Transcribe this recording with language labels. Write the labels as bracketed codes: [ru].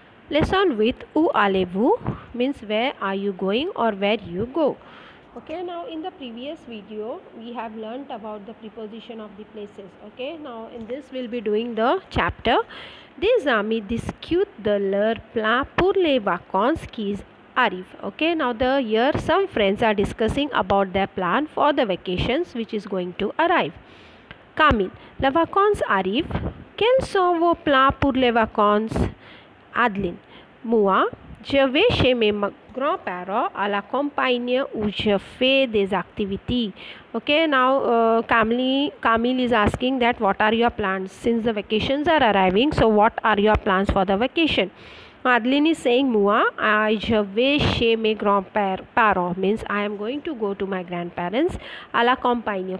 [en] Lesson with [fr] Où allez-vous [en] means where are you going or where you go. Okay, now in the previous video we have learnt about the preposition of the places. Okay, now in this we'll be doing the chapter. [fr] Des amis discutent de leur plan pour les vacances qui arrivent. [en] Okay, now the here some friends are discussing about their plan for the vacations which is going to arrive. [fr] Camille, les vacances arrivent. Quels sont vos plans pour les vacances? Adeline, moi. Je vais chez mes grands-parents à la campagne où je fais des activités. [en] Okay, now Camille is asking that what are your plans since the vacations are arriving. So what are your plans for the vacation? Adeline is saying, [fr] moi, je vais chez mes grands-parents. [en] Means I am going to go to my grandparents [fr] à la campagne.